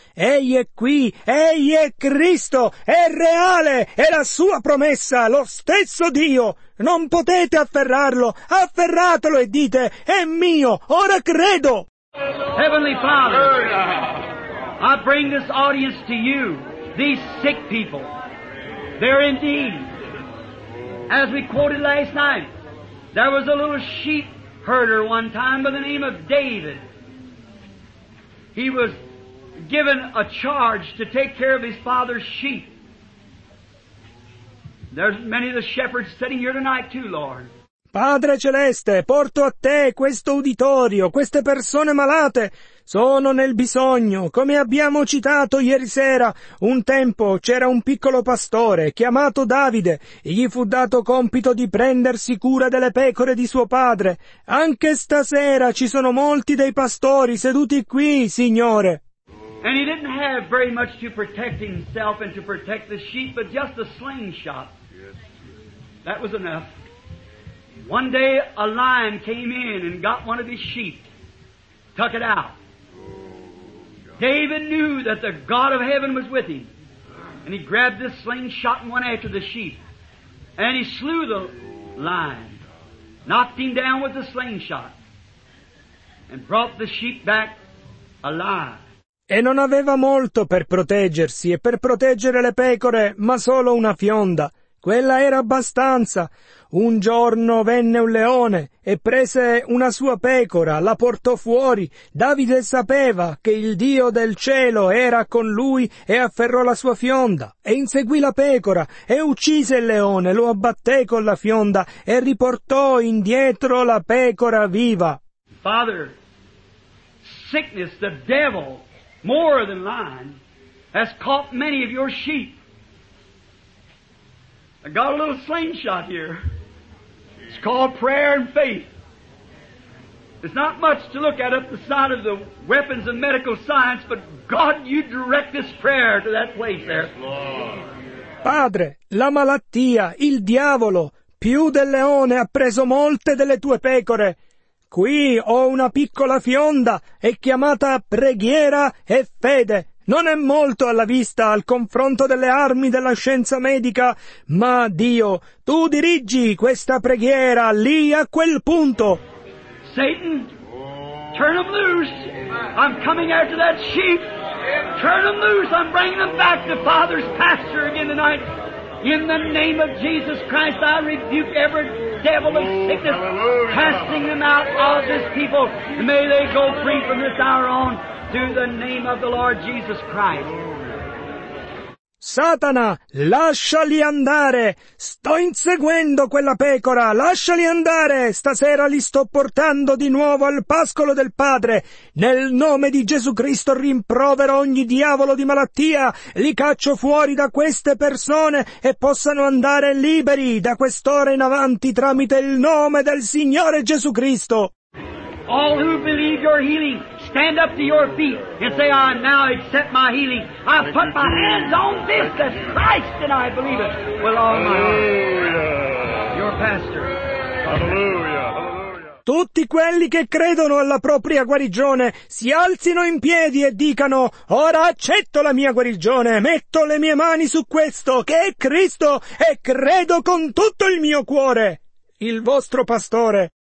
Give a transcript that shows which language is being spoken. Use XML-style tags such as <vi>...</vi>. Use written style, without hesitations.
<it>Egli è qui, egli è Cristo, è reale, è la sua promessa, lo stesso Dio. Non potete afferrarlo, afferratelo e dite, è mio, ora credo.</it> <en>Heavenly Father, I bring this audience to you, these sick people. They're in need. As we quoted last night, there was a little sheep herder one time by the name of David. He was given a charge to take care of his father's sheep. There's many of the shepherds sitting here tonight too, Lord.</en> <it>Padre Celeste, porto a te questo uditorio, queste persone malate. Sono nel bisogno, come abbiamo citato ieri sera. Un tempo c'era un piccolo pastore, chiamato Davide, e gli fu dato compito di prendersi cura delle pecore di suo padre. Anche stasera ci sono molti dei pastori seduti qui, Signore.</it> <en>And he didn't have very much to protect himself and to protect the sheep, but just a slingshot. That was enough. One day a lion came in and got one of his sheep, took it out. David knew that the God of heaven was with him, and he grabbed this slingshot and went after the sheep, and he slew the lion, knocked him down with the slingshot, and brought the sheep back alive.</en> <it>E non aveva molto per proteggersi e per proteggere le pecore, ma solo una fionda. Quella era abbastanza. Un giorno venne un leone e prese una sua pecora, la portò fuori. Davide sapeva che il Dio del cielo era con lui e afferrò la sua fionda e inseguì la pecora e uccise il leone, lo abbatté con la fionda e riportò indietro la pecora viva.</it> <en>Father, sickness, the devil, more than lying, has caught many of your sheep. I got a little slingshot here. It's called prayer and faith. It's not much to look at up the side of the weapons of medical science, but God, you direct this prayer to that place there. Yes, Lord.</en> <it>Padre, la malattia, il diavolo, più del leone ha preso molte delle tue pecore. Qui ho una piccola fionda, è chiamata preghiera e fede. Non è molto alla vista al confronto delle armi della scienza medica, ma Dio, tu dirigi questa preghiera lì a quel punto.</it> <en>Satan, turn them loose. I'm coming after that sheep. Turn them loose. I'm bringing them back to Father's pasture again tonight. In the name of Jesus Christ, I rebuke every devil of sickness, casting them out of this people. May they go free from this hour on, through the name of the Lord Jesus Christ.</en> <it>Satana, lasciali andare! Sto inseguendo quella pecora! Lasciali andare! Stasera li sto portando di nuovo al pascolo del Padre! Nel nome di Gesù Cristo rimprovero ogni diavolo di malattia! Li caccio fuori da queste persone e possano andare liberi da quest'ora in avanti tramite il nome del Signore Gesù Cristo!</it> <en>All who believe your healing, stand up to your feet and say, I now accept my healing. I put my hands on this as Christ, and I believe it with all my heart. Your pastor. Hallelujah.</en> <it>Tutti quelli che credono alla propria guarigione si alzino in piedi e dicano, ora accetto la mia guarigione, metto le mie mani su questo che è Cristo e credo con tutto il mio cuore. Il vostro pastore.</it>